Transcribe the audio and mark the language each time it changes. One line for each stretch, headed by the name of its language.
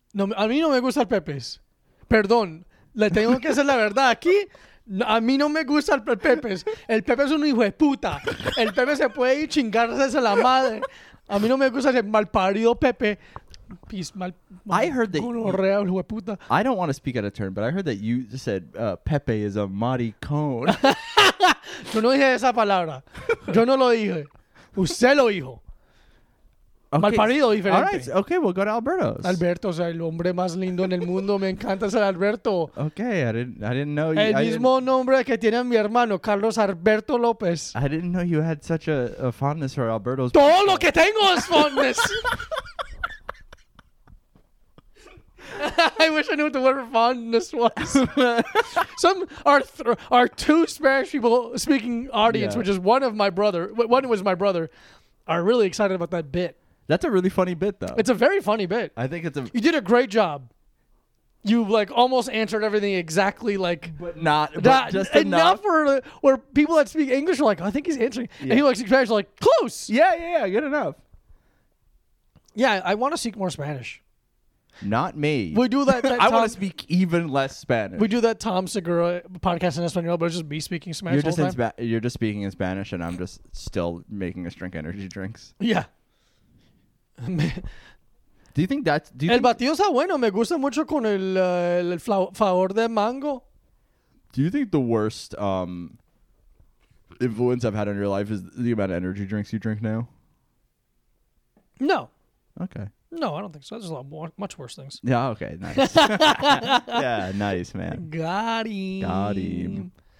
Spanish: No, a mí no me gusta el Pepe's. Perdón, le tengo que decir la verdad aquí... A mí no me gusta el Pepe. El Pepe es un hijo de puta. El Pepe se puede ir chingarse a la madre. A mí no me gusta ese malparido Pepe.
English: I heard that...
Spanish: Real, hijo de puta.
English: I don't want to speak out of turn, but I heard that you said Pepe is a maricón.
Spanish: Yo no dije esa palabra. Yo no lo dije. Usted lo dijo. Okay. Malparido diferente. All right.
English: Okay, we'll go to Alberto's.
Spanish: Alberto, o sea, el hombre más lindo en el mundo. Me encanta ser Alberto.
English: Okay, I didn't know you.
Spanish: Nombre que tiene mi hermano, Carlos Alberto López.
English: I didn't know you had such a fondness for Alberto's.
Spanish: Todo lo que tengo es fondness.
English: I wish I knew what the word fondness was. Some are two Spanish people-speaking audience, which is one of my brother. One was my brother. Are really excited about that bit. That's a really funny bit, though. It's a very funny bit. I think it's a... You did a great job. You, like, almost answered everything exactly, like... But not enough. Where people that speak English are like, oh, I think he's answering. Yeah. And he likes Spanish, like, close! Yeah, good enough. Yeah, I want to speak more Spanish. Not me. We do that I want to speak even less Spanish. We do that Tom Segura podcast in Espanol, but it's just me speaking Spanish You're just speaking in Spanish, and I'm just still making us drink energy drinks. Yeah. Do you think that's...
Spanish: El batido está bueno. Me gusta mucho con el flavor de mango.
English: Do you think the worst influence I've had on your life is the amount of energy drinks you drink now? No. Okay. No, I don't think so. There's a lot more, much worse things. Yeah, okay. Nice. Yeah, nice, man. Got him.